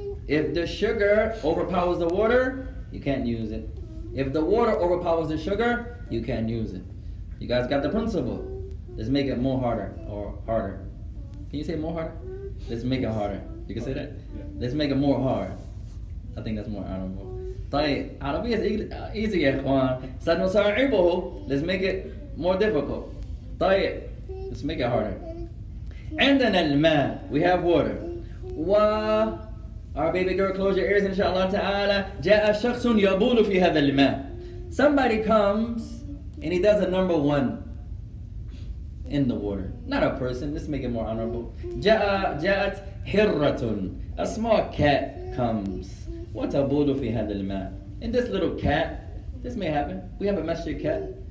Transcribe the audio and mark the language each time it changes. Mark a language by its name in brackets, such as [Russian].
[English] If the sugar overpowers the water, you can't use it. If the water overpowers the sugar, you can't use it. You guys got the principle. Let's make it more harder or harder. Can you say more harder? Let's make it harder. You can say that? Yeah. Let's make it more hard. I think that's more honorable. [Arabic] طيب, عربية easy, إخوان. سنصعبه. [English] Let's make it more difficult. طيب, let's make it harder. [Arabic] عندنا الماء. [English] We have water. [Arabic] و... [English] Our baby girl, close your ears, inshallah تعالى. [Arabic] جاء شخص يبول في هذا الماء. [English] Somebody comes and he does a number one. In the water, not a person. Let's make it more honorable. [Arabic] جاءت هرة, [English] a small cat comes. What a budu [Arabic] fi hadha al-ma. [English] And this little cat, this may happen. We have a masjid cat.